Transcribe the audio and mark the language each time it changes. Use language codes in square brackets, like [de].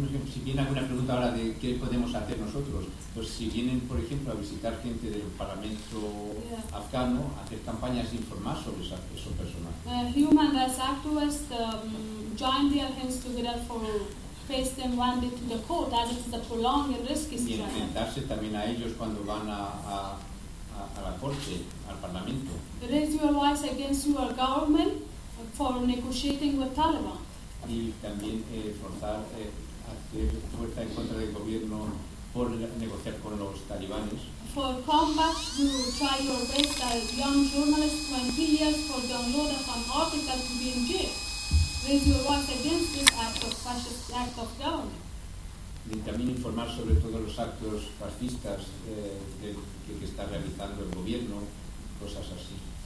[es] Si viene alguna pregunta ahora de qué podemos hacer nosotros, pues si vienen, por ejemplo, a visitar gente del Parlamento afgano, hacer campañas e informar sobre eso personal. [en] Human rights activists join their hands together for face them one day to the court, as it is a prolonged and risky situation. [es] Y enfrentarse también a ellos cuando van a la corte, al Parlamento. [en] Raise your voice against your government for negotiating with Taliban. [es] Y también forzar. Hacer fuerza en contra del gobierno por negociar con los talibanes. [en] For combat, you try your best as young journalists 20 years for downloading some articles to be in jail. Raise your voice against this act of fascist act of government. [es] Y también informar sobre todos los actos fascistas que está realizando el gobierno, cosas así.